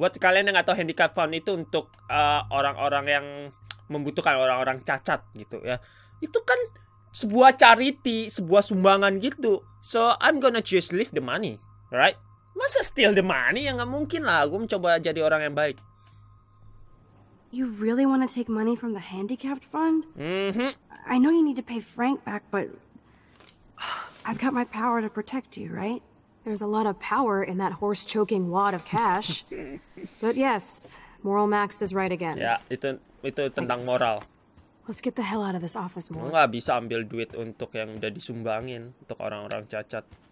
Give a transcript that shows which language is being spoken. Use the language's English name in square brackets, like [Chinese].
[Indonesian] Buat kalian yang gak tahu handicap fund itu untuk orang-orang yang membutuhkan, orang-orang cacat gitu ya. Itu kan sebuah charity, sebuah sumbangan gitu. [English] So I'm gonna just leave the money, right? Masa steal the money? [Indonesian] Ya gak mungkin lah, gue mencoba jadi orang yang baik. [English] You really wanna take money from the handicapped fund? Mm-hmm. I know you need to pay Frank back, but I've got my power to protect you, right? There's a lot of power in that horse choking wad of cash. But yes, Moral Max is right again. [Indonesian] Ya, itu tentang moral. [English] Let's get the hell out of this office, Moral. [Indonesian] Enggak bisa ambil duit untuk yang udah disumbangin untuk orang-orang cacat.